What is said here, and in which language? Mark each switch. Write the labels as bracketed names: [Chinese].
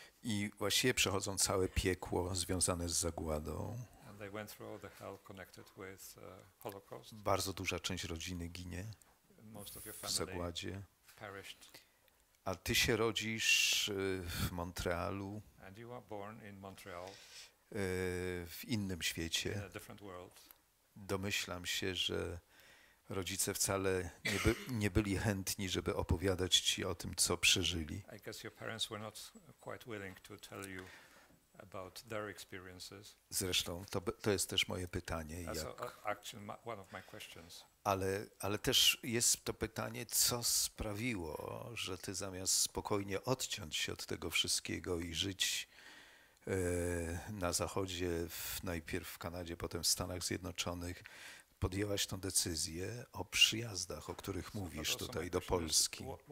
[Polish] I właściwie przechodzą całe piekło związane z zagładą. [English] And they went through all the hell connected with Holocaust. [Polish] Bardzo duża część rodziny ginie w zagładzie. [English] Perished. [Polish] A ty się rodzisz w Montrealu. [English] And you were born in Montreal. [Polish] W innym świecie. [English] In a different world. [Polish] Domyślam się, że rodzice wcale nie byli chętni, żeby opowiadać ci o tym, co przeżyli. [English] I guess your parents were not quite willing to tell you about their experiences. [Polish] Zresztą to jest też moje pytanie. [English] One of my questions. [Polish] Ale też jest to pytanie, co sprawiło, że ty zamiast spokojnie odciąć się od tego wszystkiego i żyć na Zachodzie, najpierw w Kanadzie, potem w Stanach Zjednoczonych, podjęłaś tę decyzję o przyjazdach, o których mówisz tutaj do Polski.